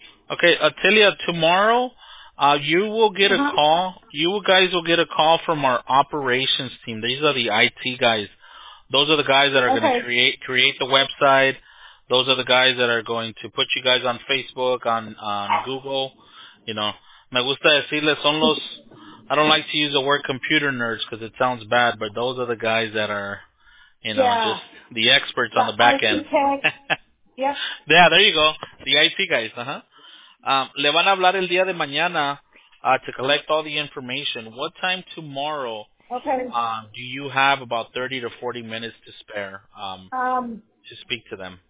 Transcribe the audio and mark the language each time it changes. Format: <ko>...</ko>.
<en>Okay, Attilia, tomorrow... you will get a call. You guys will get a call from our operations team. These are the IT guys. Those are the guys that are going to create the website. Those are the guys that are going to put you guys on Facebook, on Google. You know,</en> <es>me gusta decirles son los.</es> <en>I don't like to use the word computer nerds because it sounds bad, but those are the guys that are, you know, just the experts on the back end. Yeah. Yeah, there you go. The IT guys, uh-huh.</en> <es>Le van a hablar el día de mañana</es> <en>to collect all the information. What time tomorrow do you have about 30 to 40 minutes to spare to speak to them?</en>